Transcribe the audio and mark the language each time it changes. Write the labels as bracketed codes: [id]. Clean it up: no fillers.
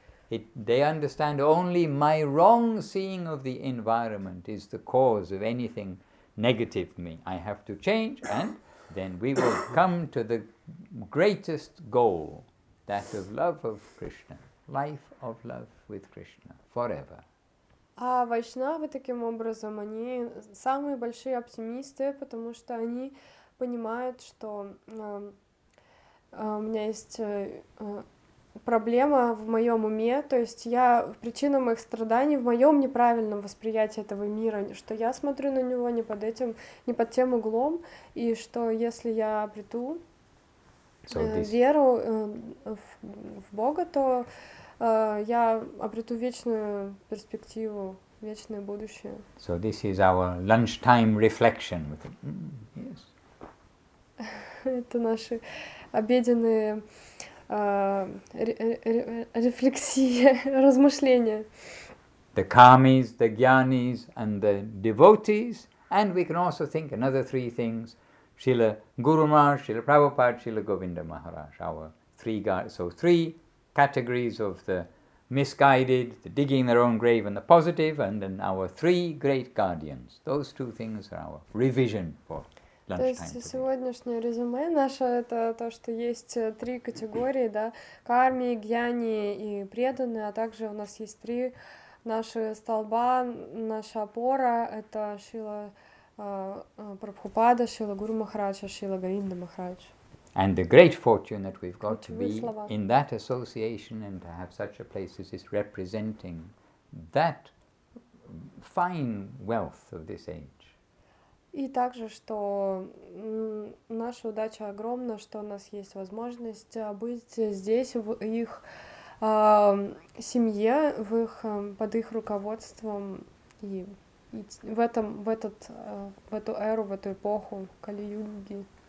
[en] They understand only my wrong seeing of the environment is the cause of anything negative me. I have to change, and then we will come to the greatest goal, that of love of Krishna. Life of love with Krishna forever. [ru] А вайшнавы таким образом, они самые большие оптимисты, потому что они понимают, что у меня есть проблема в моем уме, то есть я причина моих страданий в моем неправильном восприятии этого мира, что я смотрю на него не под этим, не под тем углом, и что если я обрету веру в Бога, то я обрету вечную перспективу, вечное будущее. [en] So this is our lunchtime reflection. With yes. [ru] Это наши обеденные рефлексии, размышления. [en] The kamis, the gyanis, and the devotees. And we can also think another three things. Srila Guru Maharaj, Srila Prabhupada, Srila Govinda Maharaj. Our three guys. So three categories of the misguided, the digging their own grave, and the positive, and then our three great guardians. Those two things are our revision for lunchtime. [ru] Сегодняшнее резюме наше это то, что есть три категории, да, карми, гьяни и преданные, а также у нас есть три наши столба, наша опора это Шрила Прабхупада, Шрила Гуру Махараджа, Шрила Говинда Махараджа. [en] And the great fortune that we've got to be in that association and to have such a place as this representing that fine wealth of this age. [ru] И также, что наша удача огромна, что у нас есть возможность быть здесь, в их семье, в их под их руководством и в этом, в этот, в эту эру, в эту эпоху Кали-Юги.